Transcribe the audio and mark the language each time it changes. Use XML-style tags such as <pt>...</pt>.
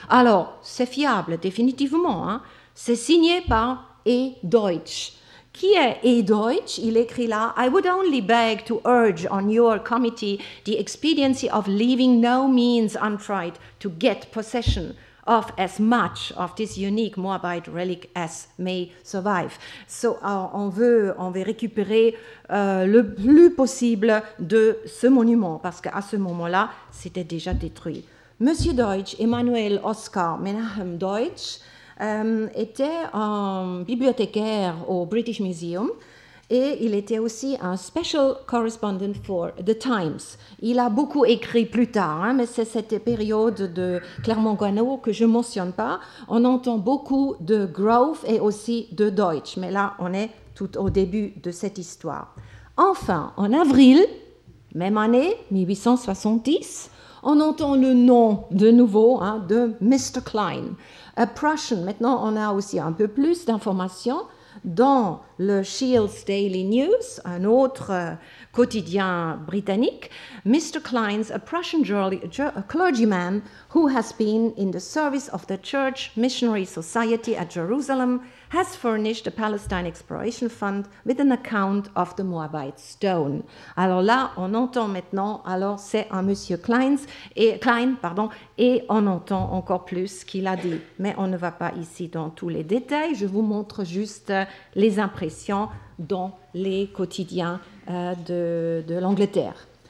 <fr>Alors, c'est fiable, définitivement. Hein? C'est signé par E. Deutsch. Qui est E. Deutsch? Il écrit là,</fr> <en>I would only beg to urge on your committee the expediency of leaving no means untried to get possession of as much of this unique Moabite relic as may survive.</en> <fr>So, on veut récupérer le plus possible de ce monument, parce qu'à ce moment-là, c'était déjà détruit. Monsieur Deutsch, Emmanuel Oscar Menachem Deutsch, était un bibliothécaire au British Museum, et il était aussi un</fr> <en>special correspondent for The Times.</en> <fr>Il a beaucoup écrit plus tard, hein, mais c'est cette période de Clermont-Ganneau que je ne mentionne pas. On entend beaucoup de Grove et aussi de Deutsch, mais là, on est tout au début de cette histoire. Enfin, en avril, même année, 1870, on entend le nom de nouveau, hein, de Mr. Klein,</fr> <en>a Prussian.</en> <fr>Maintenant, on a aussi un peu plus d'informations dans le Shields Daily News, un autre quotidien britannique.</fr> <en>Mr. Klein's a Prussian clergyman who has been in the service of the Church Missionary Society at Jerusalem has furnished the Palestine Exploration Fund with an account of the Moabite stone.</en> <fr>Alors là, on entend maintenant, alors c'est un monsieur Klein, et on entend encore plus ce qu'il a dit. Mais on ne va pas ici dans tous les détails, je vous montre juste les impressions dans les quotidiens de l'Angleterre.</fr>